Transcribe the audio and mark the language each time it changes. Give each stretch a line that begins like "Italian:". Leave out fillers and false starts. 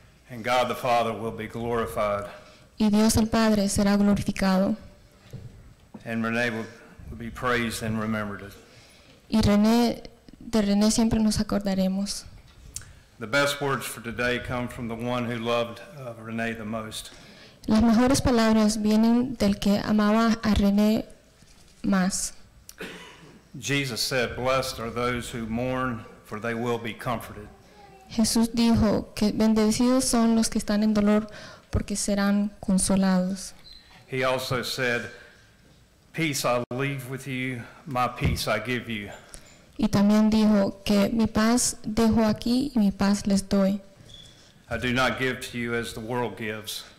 English: And God the Father will be glorified.
Spanish: Y Dios el Padre será glorificado.
English: And René will be praised and remembered.
Spanish: Y René, de René siempre nos acordaremos.
English: The best words for today come from the one who loved René the most.
Spanish: Las mejores palabras vienen del que amaba a René más.
English: Jesus said, "Blessed are those who mourn, for they will be comforted."
Spanish: Jesús dijo que bendecidos son los que están en dolor, porque serán consolados.
English: He also said, "Peace I leave with you, my peace I give you."
Spanish: Y también dijo que mi paz dejo aquí y mi paz les doy.
English: I do not give to you as the world gives.